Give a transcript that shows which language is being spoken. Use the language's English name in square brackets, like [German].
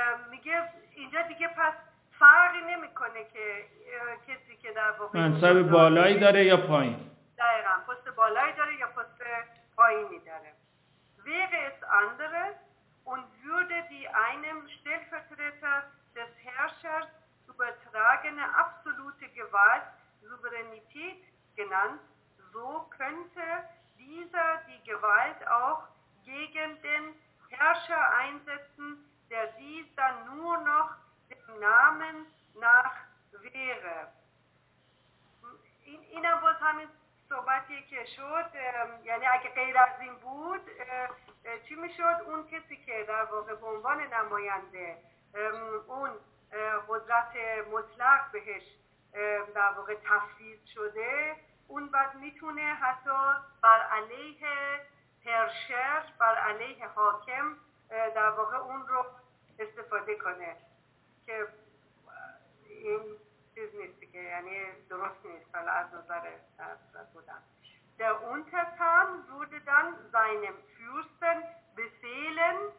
[Persian] میگه اینجا دیگه پس فرقی نمی کنه که کسی که در واقع منصب بالایی داره یا پایین. دقیقا پست بالایی داره یا پست پایینی داره. [German] wäre es anderes und würde die einem Stellvertreter des Herrschers übertragene absolute Gewalt Souveränität genannt, so könnte dieser die Gewalt auch gegen den Herrscher einsetzen, der dies dann nur noch dem Namen nach wäre. [Persian] این هم باز همین صحبتیه که شد، یعنی اگه غیر از این بود چی میشد؟ اون کسی که در واقع به عنوان نماینده اون قدرت مطلق بهش در واقع تفویض شده، اون بعد میتونه حتی بر علیه پرشر، بر علیه حاکم در واقع اون رو استفاده کنه، که این چیز نیست که، یعنی درست نیست. حالا از نظر بودن در اون تسام بوده دن زینم فیورستن بسیلن